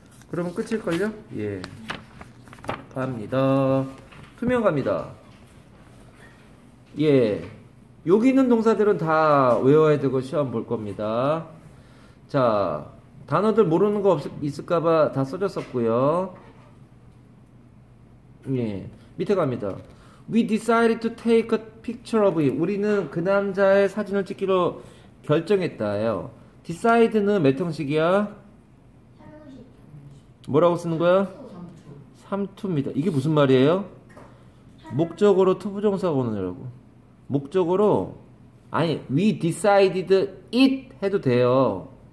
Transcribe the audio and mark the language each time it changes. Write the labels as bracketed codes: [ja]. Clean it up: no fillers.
[ko] 그러면 끝일걸요? 예. 갑니다. 투명 갑니다. 예. 여기 있는 동사들은 다 외워야 되고 시험 볼 겁니다. 자. 단어들 모르는 거 있을까봐 다 써줬었고요. 예. 밑에 갑니다. [en] We decided to take a picture of him. [ko] 우리는 그 남자의 사진을 찍기로 결정했다예요. decide는 몇 형식이야? 뭐라고 쓰는 거야? 삼투입니다. 이게 무슨 말이에요? 목적으로 투부정사가 오는 거라고. 목적으로 아니 [en] we decided it [ko] 해도 돼요.